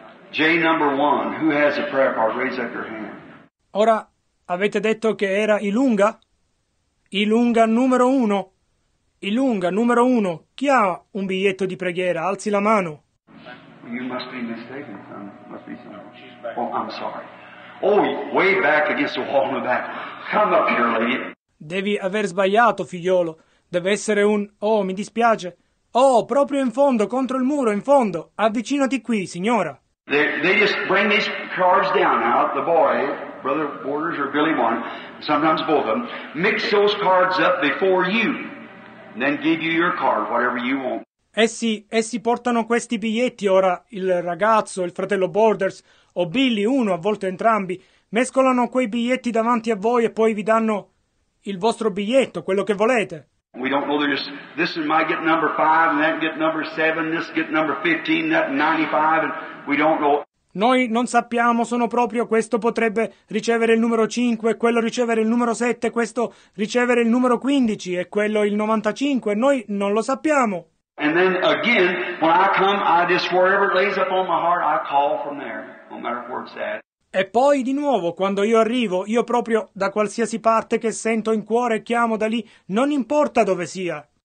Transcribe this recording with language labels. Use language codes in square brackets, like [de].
[en] J number one, who has a prayer card? Raise up your hand. [it] Ora, avete detto che era Ilunga? Ilunga numero uno. Ilunga numero uno. Chi ha un biglietto di preghiera? Alzi la mano. [en] You must be mistaken, son. Must be someone. Oh, I'm sorry. Oh, way back against the wall in the back. Come up here, lady. [it] Devi aver sbagliato, figliolo. Deve essere un... Oh, mi dispiace. Oh, proprio in fondo, contro il muro, in fondo. Avvicinati qui, signora. [en] They just bring these cards down now. The boy, Brother Borders or Billy One, sometimes both of them, mix those cards up before you, and then give you your card, whatever you want. [it] Essi portano questi biglietti ora, il ragazzo, il fratello Borders, o Billy, uno, a volte entrambi, mescolano quei biglietti davanti a voi e poi vi danno il vostro biglietto, quello che volete. [en] We don't know, they're just, this one might get number 5, and that get number 7, this get number 15, that 95, and we don't know. [it] noi non sappiamo, sono proprio questo potrebbe ricevere il numero 5, quello ricevere il numero 7, questo ricevere il numero 15 e quello il 95, noi non lo sappiamo. [en] And then again, when I come, I just wherever it lays up on my heart, I call from there, no matter where it's at. [it] E poi di nuovo, quando io arrivo, io proprio da qualsiasi parte che sento in cuore, chiamo da lì, non importa dove sia.